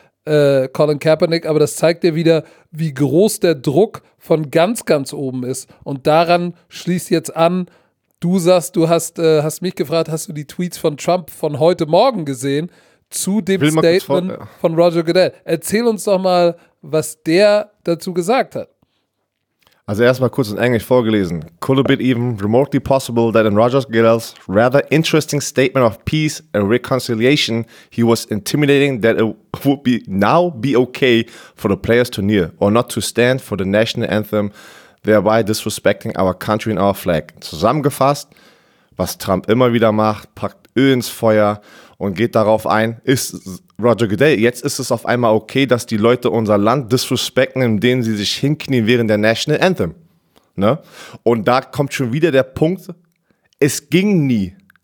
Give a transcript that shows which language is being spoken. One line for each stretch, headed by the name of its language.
German: Colin Kaepernick, aber das zeigt dir wieder, wie groß der Druck von ganz, ganz oben ist. Und daran schließt jetzt an, du sagst, du hast mich gefragt, hast du die Tweets von Trump von heute Morgen gesehen zu dem Statement von Roger Goodell? Erzähl uns doch mal, was der dazu gesagt hat. Also erstmal kurz in Englisch vorgelesen.
English: Could it be even remotely possible that in Roger Goodell's rather interesting statement of peace and reconciliation, he was intimidating that it would be now be okay for the players to kneel or not to stand for the national anthem, thereby disrespecting our country and our flag.
German: Zusammengefasst, was Trump immer wieder macht, packt Öl ins Feuer und geht darauf ein, ist Roger Goodell, jetzt ist es auf einmal okay, dass die Leute unser Land disrespecten, indem sie sich hinknien während der National Anthem. Ne? Und da kommt schon wieder der Punkt, es ging nie.